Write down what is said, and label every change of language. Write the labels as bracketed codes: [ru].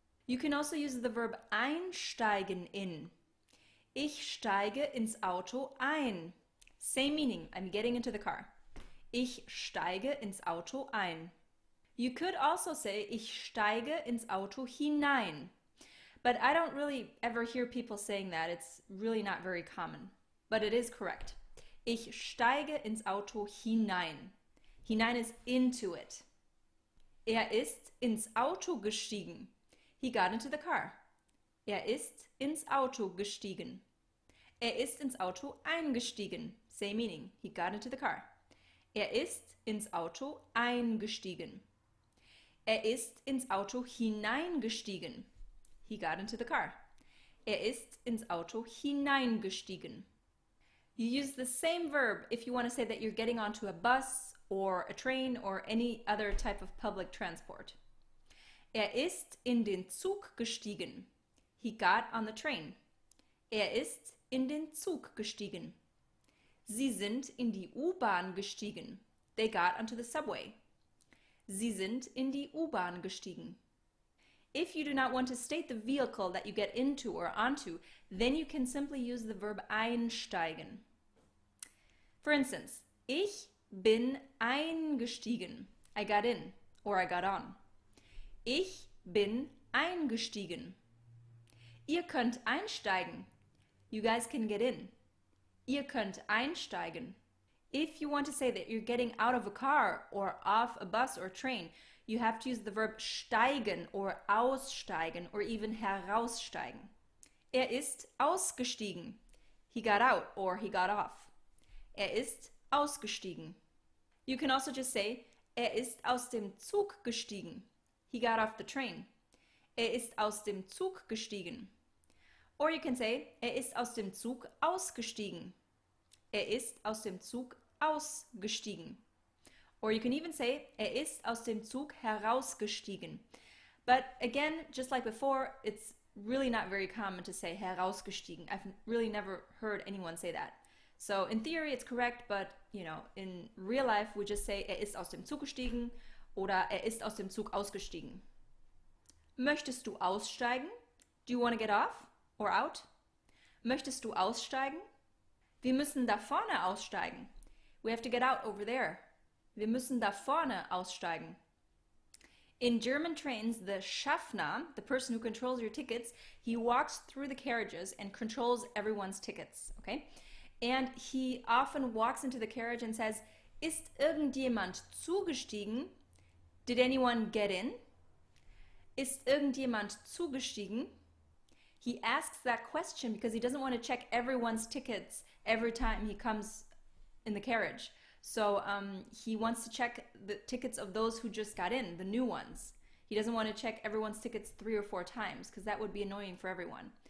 [en] You can also use the verb einsteigen in. [de] Ich steige ins Auto ein. [en] Same meaning, I'm getting into the car. [de] Ich steige ins Auto ein. [en] You could also say, [de] ich steige ins Auto hinein. [en] But I don't really ever hear people saying that. It's really not very common. But it is correct. [de] Ich steige ins Auto hinein. [en] Hinein is into it. [de] Ist ins Auto gestiegen. [en] He got into the car. [de] Ist ins Auto gestiegen. Ist ins Auto eingestiegen. [en] Same meaning. He got into the car. [de] Ist ins Auto eingestiegen. Ist ins Auto hineingestiegen. [en] He got into the car. [de] Ist ins Auto hineingestiegen. [en] You use the same verb if you want to say that you're getting onto a bus or a train or any other type of public transport. [de] Ist in den Zug gestiegen. [en] He got on the train. [de] Ist in den Zug gestiegen. Sie sind in die U-Bahn gestiegen. [en] They got onto the subway. [de] Sie sind in die U-Bahn gestiegen. [en] If you do not want to state the vehicle that you get into or onto, then you can simply use the verb einsteigen. For instance, [de] ich bin eingestiegen. [en] I got in or I got on. [de] Ich bin eingestiegen. Ihr könnt einsteigen. [en] You guys can get in. [de] Ihr könnt einsteigen. [en] If you want to say that you're getting out of a car or off a bus or train, you have to use the verb steigen or aussteigen or even heraussteigen. [de] Ist ausgestiegen. [en] He got out or he got off. [de] Ist ausgestiegen. [en] You can also just say, [de] ist aus dem Zug gestiegen. [en] He got off the train. [de] Ist aus dem Zug gestiegen. [en] Or you can say, [de] ist aus dem Zug ausgestiegen. Ist aus dem Zug ausgestiegen. [en] Or you can even say, [de] ist aus dem Zug herausgestiegen. [en] But again, just like before, it's really not very common to say herausgestiegen. I've really never heard anyone say that. So in theory, it's correct, but you know, in real life, we just say, [de] ist aus dem Zug gestiegen oder ist aus dem Zug ausgestiegen. Möchtest du aussteigen? [en] Do you want to get off or out? [de] Möchtest du aussteigen? Wir müssen da vorne aussteigen. [en] We have to get out over there. [de] Wir müssen da vorne aussteigen. [en] In German trains, the Schaffner, the person who controls your tickets, he walks through the carriages and controls everyone's tickets, okay? And he often walks into the carriage and says, [de] ist irgendjemand zugestiegen? [en] Did anyone get in? [de] Ist irgendjemand zugestiegen? [en] He asks that question because he doesn't want to check everyone's tickets every time he comes in the carriage. So he wants to check the tickets of those who just got in, the new ones. He doesn't want to check everyone's tickets three or four times because that would be annoying for everyone.